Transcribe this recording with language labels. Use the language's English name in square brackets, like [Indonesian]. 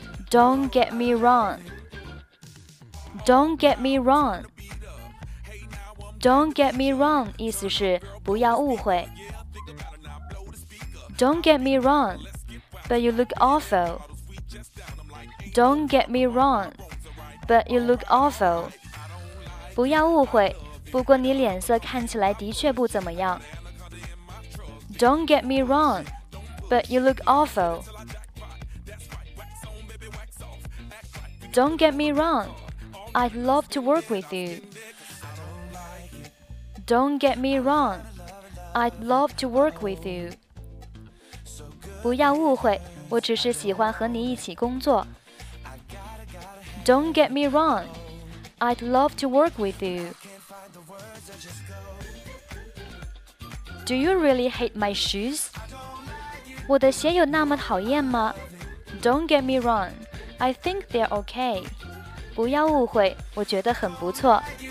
[English] Don't get me wrong. Don't get me wrong. Don't get me wrong [Chinese] 意思是不要误会。 [English] Don't get me wrong, but you look awful. Don't get me wrong, but you look awful. [Chinese] 不要误会，不过你脸色看起来的确不怎么样。 [English] Don't get me wrong, but you look awful. Don't get me wrong, I'd love to work with you. Don't get me wrong, I'd love to work with you. [Chinese] 不要误会，我只是喜欢和你一起工作。 [English] Don't get me wrong, I'd love to work with you. Do you really hate my shoes? [Chinese] 我的鞋有那么讨厌吗？ [English] Don't get me wrong, I think they're okay. [Chinese] 不要误会，我觉得很不错。